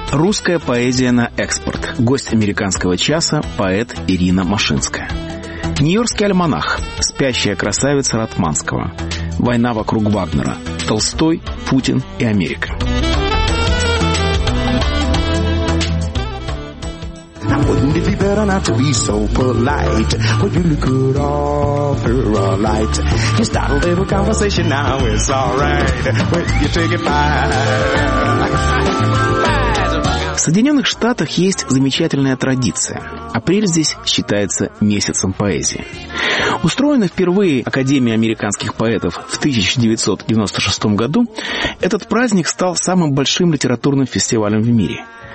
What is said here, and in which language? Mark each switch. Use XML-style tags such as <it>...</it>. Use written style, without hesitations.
<ru>Русская поэзия на экспорт. Гость «Американского часа» – поэт Ирина Машинская. Нью-Йоркский альманах. Спящая красавица Ратманского. Война вокруг Вагнера. Толстой, Путин и Америка.</ru> <en>Wouldn't it be better not to be so polite? Would you look good after a light? You start a little conversation now, it's alright. When you take it back.</en> <ru>В Соединенных Штатах есть замечательная традиция. Апрель здесь считается месяцем поэзии. Устроенный впервые Академией американских поэтов в 1996 году, этот праздник стал самым большим литературным фестивалем в мире.</ru>